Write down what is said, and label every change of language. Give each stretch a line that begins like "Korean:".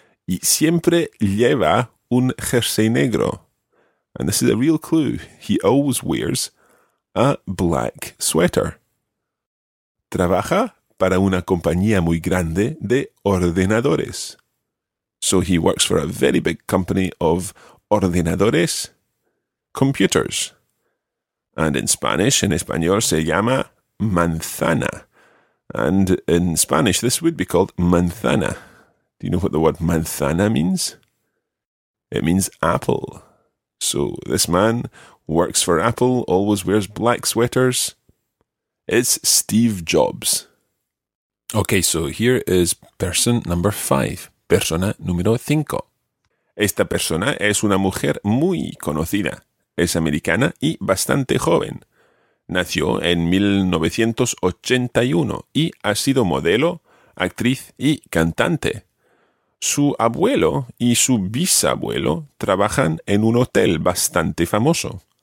Spanish: Y siempre lleva un jersey negro.
English: And this is a real clue. He always wears a black sweater.
Spanish: Trabaja para una compañía muy grande de ordenadores.
English: So he works for a very big company of ordenadores, computers. And in Spanish,
Spanish: en español, se llama manzana.
English: And in Spanish, this would be called manzana. Do you know what the word manzana means? It means apple. So this man works for Apple, always wears black sweaters. It's Steve Jobs. Okay, so here is person number 5.
Spanish: Persona número 5. Esta persona es una mujer muy conocida. Es americana y bastante joven. Nació en 1981 y ha sido modelo, actriz y cantante. Su abuelo y su bisabuelo trabajan en un hotel bastante famoso.